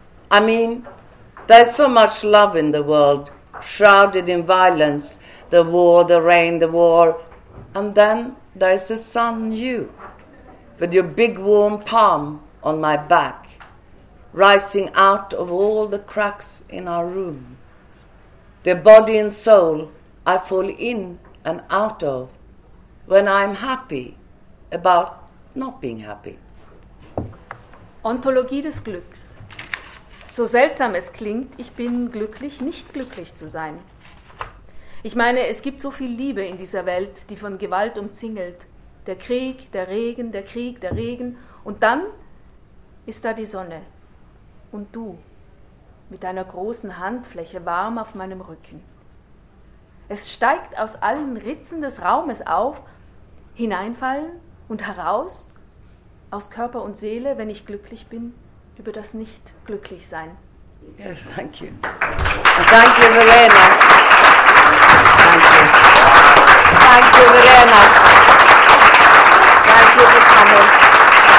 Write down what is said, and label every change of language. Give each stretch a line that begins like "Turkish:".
English: I mean, there's so much love in the world, shrouded in violence, the war, the rain, the war, and then there's the sun, you, with your big warm palm on my back, rising out of all the cracks in our room. The body and soul I fall in and out of when I'm happy about not being happy.
German: Ontologie des Glücks. So seltsam es klingt, ich bin glücklich, nicht glücklich zu sein. Ich meine, es gibt so viel Liebe in dieser Welt, die von Gewalt umzingelt. Der Krieg, der Regen, der Krieg, der Regen. Und dann ist da die Sonne. Und du. Mit deiner großen Handfläche warm auf meinem Rücken. Es steigt aus allen Ritzen des Raumes auf, hineinfallen und heraus, aus Körper und Seele, wenn ich glücklich bin, über das Nicht-Glücklichsein.
English: Yes, thank you. Thank you, Verena. Thank you. Thank you, Verena. Thank you for coming.